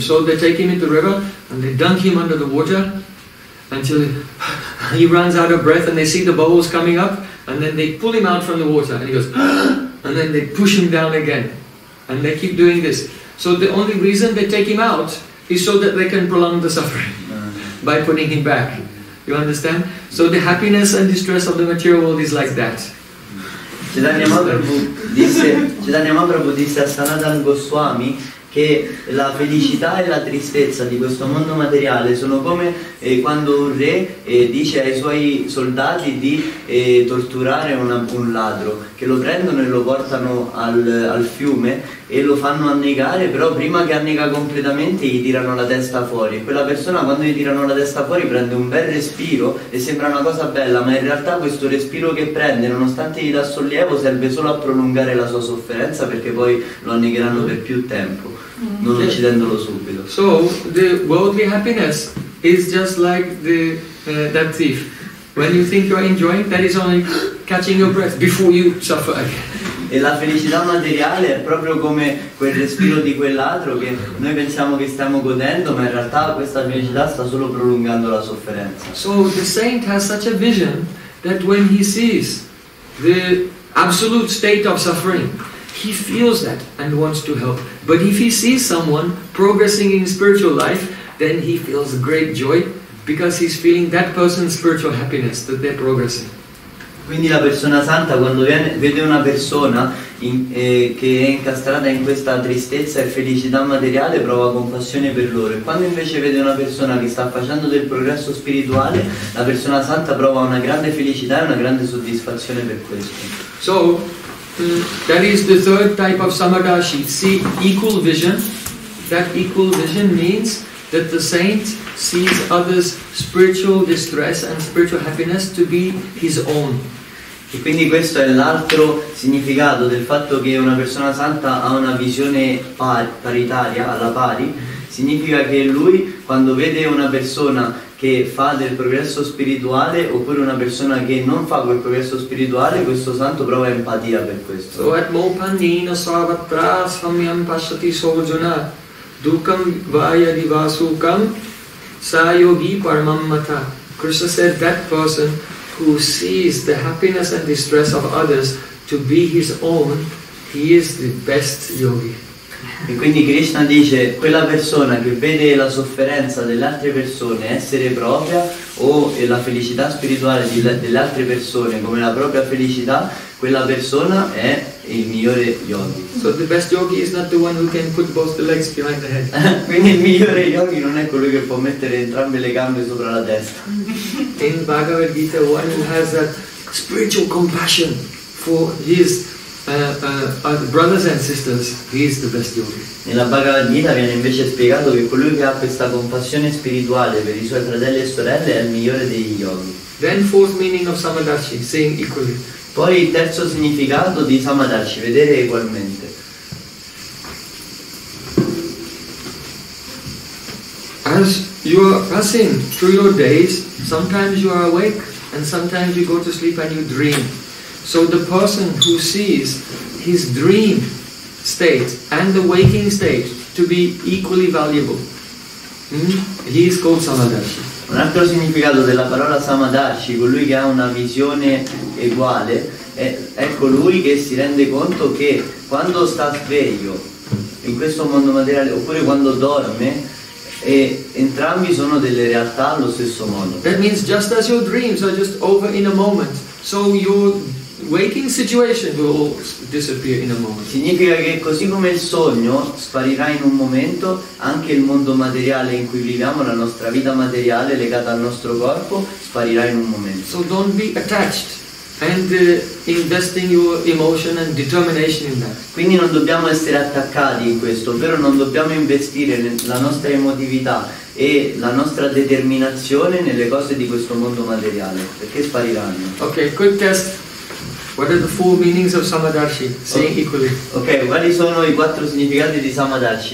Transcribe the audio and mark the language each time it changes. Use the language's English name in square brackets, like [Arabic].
[English] So they take him into the river and they dunk him under the water until he runs out of breath, and they see the bubbles coming up, and then they pull him out from the water and he goes and then they push him down again, and they keep doing this. So the only reason they take him out is so that they can prolong the suffering by putting him back. You understand? So the happiness and distress of the material world is like that. [Italian] Chaitanya Mahaprabhu disse a Sanatana Goswami che la felicità e la tristezza di questo mondo materiale sono come quando un re dice ai suoi soldati di torturare un ladro, che lo prendono e lo portano al fiume e lo fanno annegare, però prima che annega completamente gli tirano la testa fuori, e quella persona quando gli tirano la testa fuori prende un bel respiro e sembra una cosa bella, ma in realtà questo respiro che prende, nonostante gli dà sollievo, serve solo a prolungare la sua sofferenza, perché poi lo annegheranno per più tempo, non uccidendolo subito. [English] So the worldly happiness is just like that thief. When you think you're enjoying, that is only catching your breath before you suffer again. [Italian] E la felicità materiale è proprio come quel respiro di quell'altro che noi pensiamo che stiamo godendo, ma in realtà questa felicità sta solo prolungando la sofferenza. [English] So the saint has such a vision that when he sees the absolute state of suffering, he feels that and wants to help. But if he sees someone progressing in spiritual life, then he feels great joy because he's feeling that person's spiritual happiness, that they're progressing. [Italian] Quindi la persona santa quando vede una persona che è incastrata in questa tristezza e felicità materiale prova compassione per loro, e quando invece vede una persona che sta facendo del progresso spirituale, la persona santa prova una grande felicità e una grande soddisfazione per questo. [English] So, that is the third type of samadhi. See, equal vision. That equal vision means that the saint sees others' spiritual distress and spiritual happiness to be his own. [Italian] E quindi questo è l'altro significato del fatto che una persona santa ha una visione paritaria, alla pari. Significa che lui, quando vede una persona che fa del progresso spirituale oppure una persona che non fa quel progresso spirituale, questo santo prova empatia per questo. [Sanskrit] So at Mopandina Sarvatra Samyam Pashati Sojuna Dukam Vaya Divasukam Sayogi Paramamata. [English] Krishna said that person who sees the happiness and distress of others to be his own, he is the best yogi. [Italian] E quindi Krishna dice, quella persona che vede la sofferenza delle altre persone essere propria o la felicità spirituale delle altre persone come la propria felicità, quella persona è il migliore yogi. [English] So the best yogi is not the one who can put both the legs behind the head. [Italian] Quindi il migliore yogi non è colui che può mettere entrambe le gambe sopra la testa. [English] In Bhagavad Gita, one who has that spiritual compassion for his brothers and sisters, he is the best yogi. [Italian] Nella Bhagavad Gita viene invece spiegato che colui che ha questa compassione spirituale per i suoi fratelli e sorelle è il migliore degli yogi. [English] Then fourth meaning of samadarshi, seeing equally. [Italian] Poi il terzo significato di samadarshi, vedere ugualmente. [English] As you are passing through your days, sometimes you are awake and sometimes you go to sleep and you dream. So the person who sees his dream state and the waking state to be equally valuable, he is called samadarshi. [Italian] Un altro significato della parola samadarshi, colui che ha una visione uguale, è colui che si rende conto che quando sta sveglio in questo mondo materiale oppure quando dorme, e entrambi sono delle realtà allo stesso modo. [English] That means just as your dreams are just over in a moment, so your waking situation will all disappear in a moment. [Italian] Significa che così come il sogno sparirà in un momento, anche il mondo materiale in cui viviamo, la nostra vita materiale legata al nostro corpo, sparirà in un momento. [English] So don't be attached and investing your emotion and determination in that. [Italian] Quindi non dobbiamo essere attaccati in questo, ovvero non dobbiamo investire la nostra emotività e la nostra determinazione nelle cose di questo mondo materiale, perché spariranno. [English] Ok, quick test. What are the four meanings of samadarshi? Seeing equally. [Italian] Okay, quali sono i quattro significati di samadarshi?